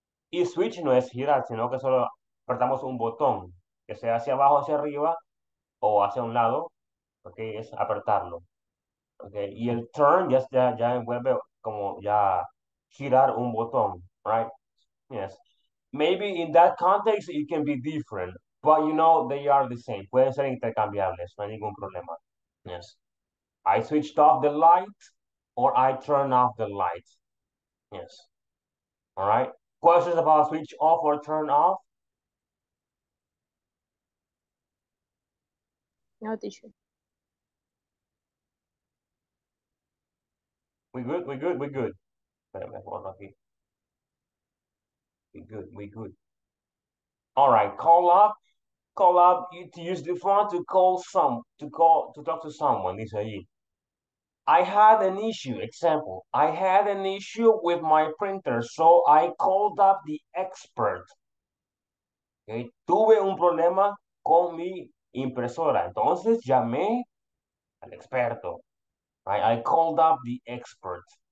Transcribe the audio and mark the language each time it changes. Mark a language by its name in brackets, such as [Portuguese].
[Spanish] Y switch no es girar, sino que solo apretamos un botón. Que sea hacia abajo, hacia arriba, o hacia un lado. Okay, es apretarlo. Okay, y el turn ya envuelve como ya girar un botón, right? [English] Yes. Maybe in that context it can be different, but you know they are the same. [Spanish] Pueden ser intercambiables, no hay ningún problema. [English] Yes. I switched off the light or I turn off the light. Yes. All right. Questions about switch off or turn off? No, teacher. We good. We good. All right, call up, you to use the phone to talk to someone, is it? I had an issue, example, I had an issue with my printer, so I called up the expert. [Spanish] Okay, tuve un problema con mi impresora, entonces llamé al experto. [English] I called up the expert.